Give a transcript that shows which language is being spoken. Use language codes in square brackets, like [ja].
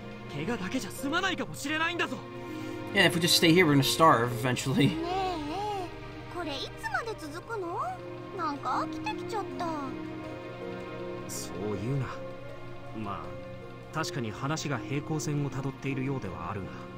[ja] だったら、修二さんはどうするつもりなんだよ。ここに居続けて何か変わんのか？状況は変わるかもしれないだろ。化け物が消えたり、あっさり帰れたりするかも。そんな運頼みで帰れるんだったら、自分たちで動いてもいいじゃんか。怪我狩りもなく危ないことはさせられない。怪我だけじゃ済まないかもしれないんだぞ。 [en] Yeah, if we just stay here, we're gonna starve eventually. [ja] ねえ、これいつまで続くの？なんか飽きてきちゃった。そう言うな。まあ確かに話が平行線をたどっているようではあるが。